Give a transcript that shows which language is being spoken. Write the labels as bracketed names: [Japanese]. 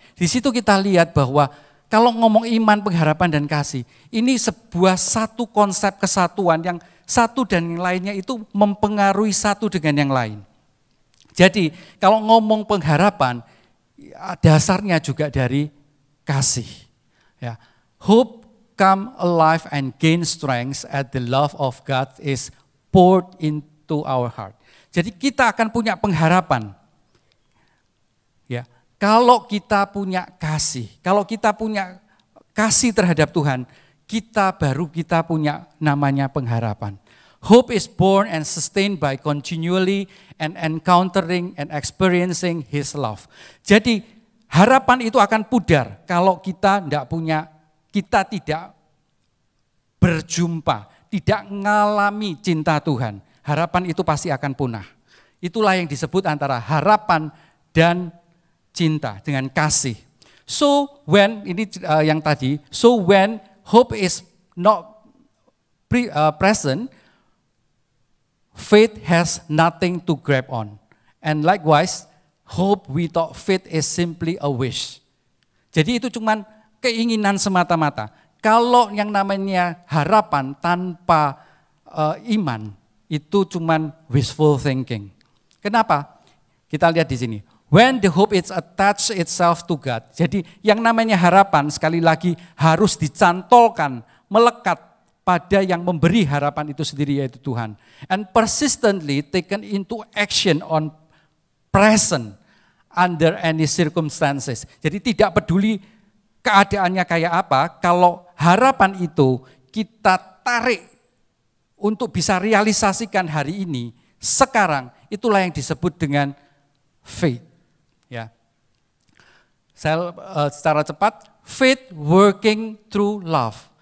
[Indonesian] Di situ kita lihat bahwa kalau ngomong iman, pengharapan, dan kasih, ini sebuah satu konsep kesatuan yang satu dan yang lainnya itu mempengaruhi satu dengan yang lain. Jadi kalau ngomong pengharapan, dasarnya juga dari kasih. Ya. [English] Hope come alive and gain strength as the love of God is poured into our heart. [Indonesian] Jadi kita akan punya pengharapan. Ya. Kalau kita punya kasih, kalau kita punya kasih terhadap Tuhan, kita baru kita punya namanya pengharapan. [English] Hope is born and sustained by continually and encountering and experiencing His love. [Indonesian] Jadi harapan itu akan pudar kalau kita tidak punya, kita tidak berjumpa, tidak mengalami cinta Tuhan. Harapan itu pasti akan punah. Itulah yang disebut antara harapan dan cinta dengan kasih. [English] So when [Indonesian] ini yang tadi, [English] so when hope is not present, faith has nothing to grab on. And likewise, hope without faith is simply a wish. [Indonesian] Jadi itu cuman keinginan semata-mata. Kalau yang namanya harapan tanpa iman, itu cuman wishful thinking. Kenapa? Kita lihat di sini. [English] When the hope is attached itself to God. [Indonesian] Jadi yang namanya harapan, sekali lagi, harus dicantolkan, melekat pada yang memberi harapan itu sendiri, yaitu Tuhan. [English] And persistently taken into action on present under any circumstances. [Indonesian] Jadi tidak peduli keadaannya kayak apa, kalau harapan itu kita tarik untuk bisa realisasikan hari ini, sekarang, itulah yang disebut dengan faith. Ya. Saya secara cepat, [English] faith working through love.